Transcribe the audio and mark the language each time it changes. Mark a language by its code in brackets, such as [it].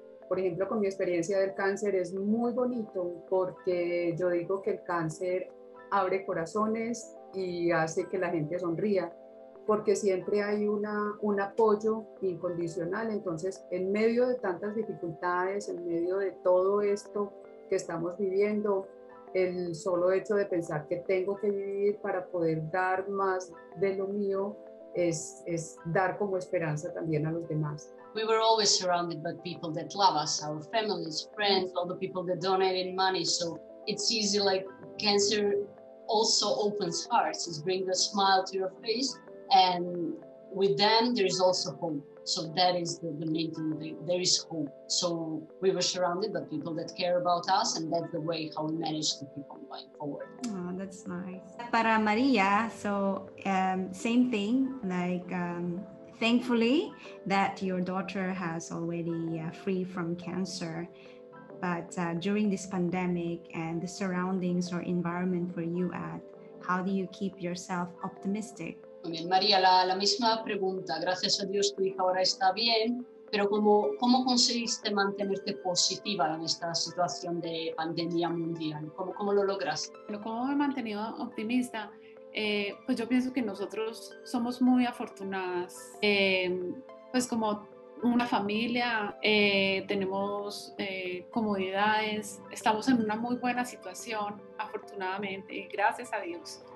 [es] Por ejemplo, con mi experiencia del cáncer es muy bonito porque yo digo que el cáncer abre corazones y hace que la gente sonría, porque siempre hay un apoyo incondicional. Entonces, en medio de tantas dificultades, en medio de todo esto que estamos viviendo, el solo hecho de pensar que tengo que vivir para poder dar más de lo mío es dar como esperanza también a los demás. [en] We were always surrounded by people that love us, our families, friends, all the people that donated money. So it's easy, like cancer also opens hearts. It brings a smile to your face. And with them, there is also hope. So that is the main thing. There is hope. So we were surrounded by people that care about us. And that's the way how we managed to keep on going forward. Oh, that's nice. [es] Para [en] Maria, so same thing, like, thankfully that your daughter has already free from cancer, but during this pandemic and the surroundings or environment where you at, how do you keep yourself optimistic? [es] Bien, María, la misma pregunta. Gracias a Dios tu hija ahora está bien, pero ¿cómo conseguiste mantenerte positiva en esta situación de pandemia mundial? ¿Cómo lo logras? Bueno, ¿cómo me he mantenido optimista? Pues yo pienso que nosotros somos muy afortunadas, pues como una familia, tenemos comodidades, estamos en una muy buena situación, afortunadamente, y gracias a Dios.